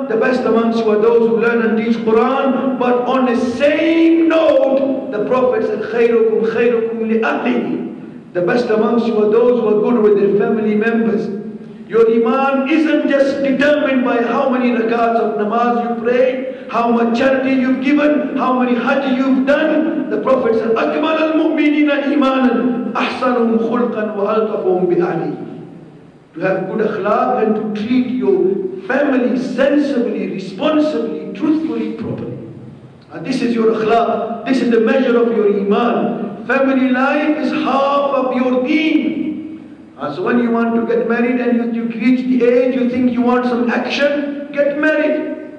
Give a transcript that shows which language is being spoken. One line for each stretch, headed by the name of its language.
English: The best amongst you are those who learn and teach Qur'an. But on the same note, the Prophet said,
Arabic: خَيْرُكُمْ خَيْرُكُمْ لِأَقْلِهِ.
English: The best amongst you are those who are good with their family members. Your iman isn't just determined by how many rakats of namaz you pray, how much charity you've given, how many hajj you've done. The Prophet said,
Arabic: أَكْمَلَ الْمُؤْمِنِينَ إِيمَانًا أَحْسَنُهُمْ خُلْقًا وَأَلْطَفُهُمْ بِأَهْلِهِ.
English: To have good akhlaq and to treat your family sensibly, responsibly, truthfully, properly. And this is your akhlaq. This is the measure of your iman. Family life is half of your deen. And so when you want to get married and you reach the age, you think you want some action, get married.